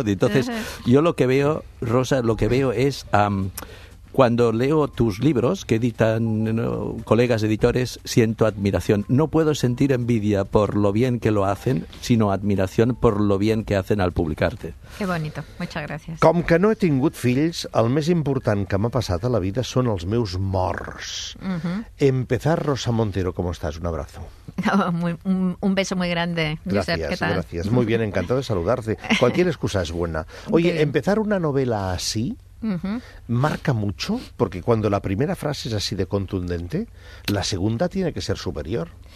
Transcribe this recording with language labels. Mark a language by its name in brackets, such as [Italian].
[Spanish] Entonces, yo lo que veo, Rosa, lo que veo es... cuando leo tus libros, que editan, ¿no?, colegas editores, siento admiración. No puedo sentir envidia por lo bien que lo hacen, sino admiración por lo bien que hacen al publicarte. Qué bonito. Muchas gracias. [Catalan] Com que no he tingut fills, el més important que m'ha passat a la vida són els meus morts. Uh-huh. [Spanish] Empezar, Rosa Montero, ¿cómo estás? Un abrazo. Un beso muy grande, Josep. Gracias, ¿qué tal? Gracias. Muy bien, encantado de saludarte. Cualquier excusa es buena. Oye, empezar una novela así... marca mucho, porque cuando la primera frase es así de contundente, la segunda tiene que ser superior.